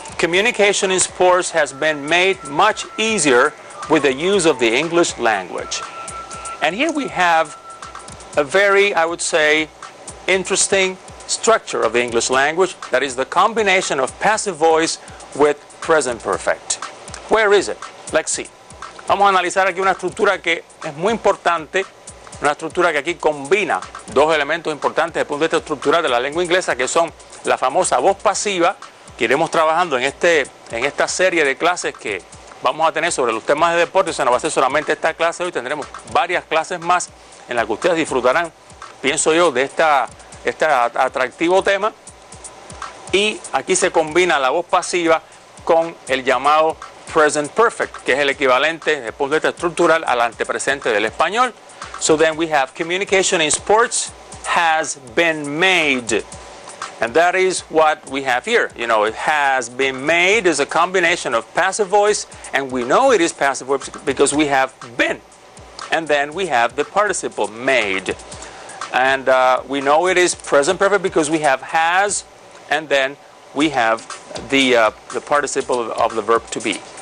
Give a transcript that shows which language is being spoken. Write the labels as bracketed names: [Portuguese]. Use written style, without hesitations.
[English] Communication in sports has been made much easier with the use of the English language. And here we have a very, I would say, interesting structure of the English language, that is the combination of passive voice with present perfect. Where is it? Let's see. [Spanish] Vamos a analizar aquí una estructura que es muy importante, una estructura que aquí combina dos elementos importantes desde el punto de vista estructural de la lengua inglesa, que son la famosa voz pasiva, que iremos trabajando en esta serie de clases que vamos a tener sobre los temas de deporte. O sea, no va a ser solamente esta clase, hoy tendremos varias clases más en las que ustedes disfrutarán, pienso yo, de este atractivo tema. Y aquí se combina la voz pasiva con el llamado present perfect, que es el equivalente desde el punto de vista estructural al antepresente del español. [English] So then we have communication in sports has been made. And that is what we have here. You know, it has been made is a combination of passive voice, and we know it is passive voice because we have been. And then we have the participle made. And we know it is present perfect because we have has, and then we have the participle of the verb to be.